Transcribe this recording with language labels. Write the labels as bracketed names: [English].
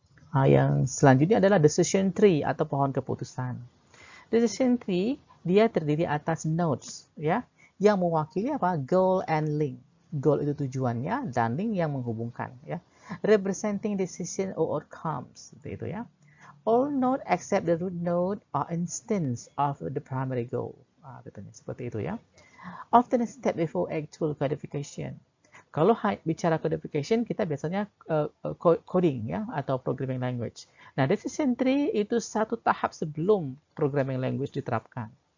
[Indonesian] Nah, yang selanjutnya adalah decision tree atau pohon keputusan. Decision tree dia terdiri atas nodes ya, yang mewakili apa? [English] Goal and link. [Indonesian] Goal itu tujuannya dan link yang menghubungkan ya. [English] Representing decision or outcomes [Indonesian] itu ya. [English] All nodes except the root node are instances of the primary goal. [Indonesian] Betulnya seperti itu ya. [English] Often a step before actual codification. [Indonesian] Kalau bicara codification, kita biasanya coding ya atau programming language. Nah, decision tree itu satu tahap sebelum programming language diterapkan.